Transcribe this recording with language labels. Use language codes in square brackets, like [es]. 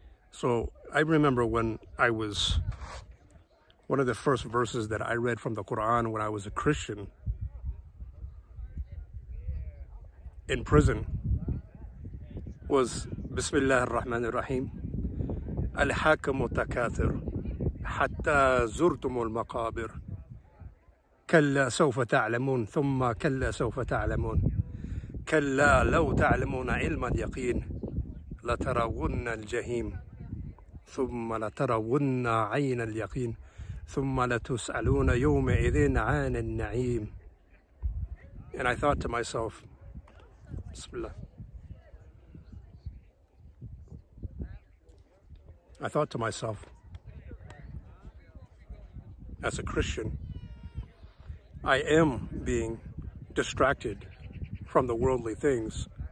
[en] So I remember when I was, one of the first verses that I read from the Quran when I was a Christian in prison was [ar] Bismillah ar-Rahman ar-Rahim. الحاكم تكاثر حتى زرتم المقابر كلا سوف تعلمون ثم كلا سوف تعلمون كلا لو تعلمون علم اليقين لترون الجحيم ثم لترون عين اليقين ثم لتسألون يومئذ عن النعيم. [en] And I thought to myself, Bismillah. I thought to myself, as a Christian, I am being distracted from the worldly things.